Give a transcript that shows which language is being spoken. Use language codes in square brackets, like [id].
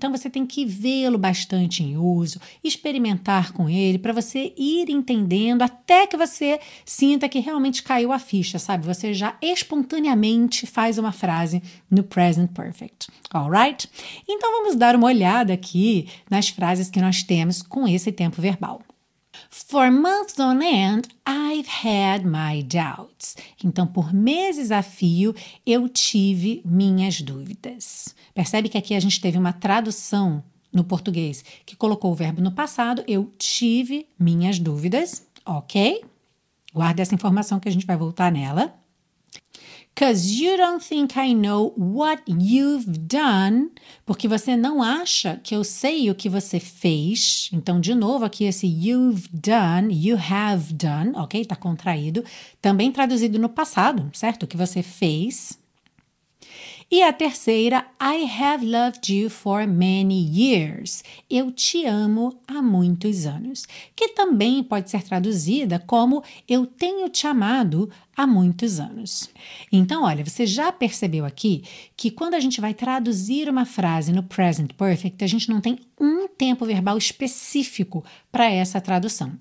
[pt] Então você tem que vê-lo bastante em uso, experimentar com ele, para você ir entendendo até que você sinta que realmente caiu a ficha, sabe? Você já espontaneamente faz uma frase no Present Perfect. Alright? Então vamos dar uma olhada aqui nas frases que nós temos com esse tempo verbal. [en] For months on end, I've had my doubts. [pt] Então, por meses a fio, eu tive minhas dúvidas. Percebe que aqui a gente teve uma tradução no português que colocou o verbo no passado, eu tive minhas dúvidas, ok? Guarde essa informação que a gente vai voltar nela. [en] Because you don't think I know what you've done. [pt] Porque você não acha que eu sei o que você fez. Então, de novo, aqui esse [en] you've done, you have done, [pt] ok? Tá contraído. Também traduzido no passado, certo? O que você fez. E a terceira, [en] I have loved you for many years. [pt] Eu te amo há muitos anos. Que também pode ser traduzida como eu tenho te amado há muitos anos. Então, olha, você já percebeu aqui que quando a gente vai traduzir uma frase no present perfect, a gente não tem um tempo verbal específico para essa tradução.